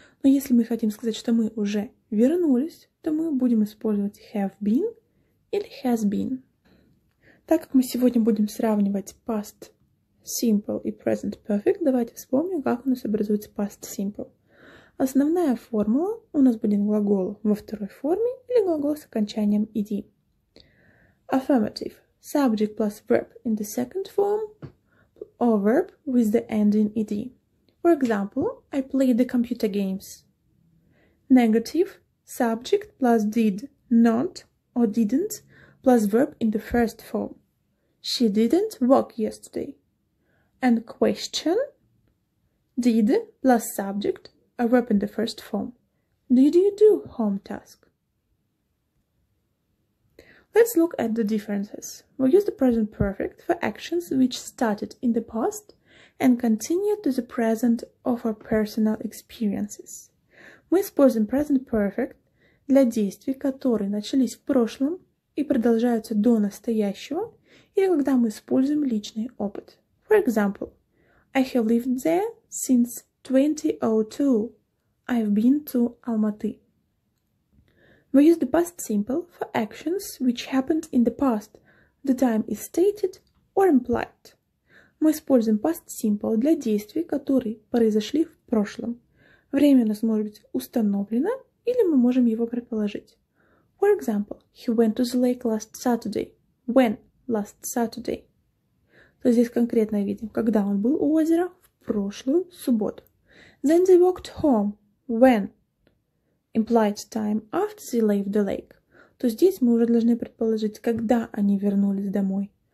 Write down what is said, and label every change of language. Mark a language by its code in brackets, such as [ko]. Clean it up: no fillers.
[ru] Но если мы хотим сказать, что мы уже вернулись, то мы будем использовать have been или has been. Так как мы сегодня будем сравнивать past simple и present perfect, давайте вспомним, как у нас образуется past simple. Основная формула у нас будет глагол во второй форме или глагол с окончанием -ed. [en] Affirmative. Subject plus verb in the second form or verb with the ending -ed. For example, I played the computer games. Negative. Subject plus did not or didn't plus verb in the first form. She didn't walk yesterday. And question. Did plus subject a verb in the first form. Did you do home task? Let's look at the differences. We use the present perfect for actions which started in the past and continue to the present of our personal experiences. [ru] Мы используем present perfect для действий, которые начались в прошлом и продолжаются до настоящего, или когда мы используем личный опыт. [en] For example, I have lived there since 2002. I've been to Almaty. We use the past simple for actions which happened in the past. The time is stated or implied. [ru] Мы используем past simple для действий, которые произошли в прошлом. Время у нас может быть установлено или мы можем его предположить. [en] For example, he went to the lake last Saturday. When last Saturday? [ru] То есть здесь конкретно видим, когда он был у озера в прошлую субботу. [en] Then they walked home. When? Implied time after they left the lake. [ru] То здесь мы уже должны предположить, когда они вернулись домой.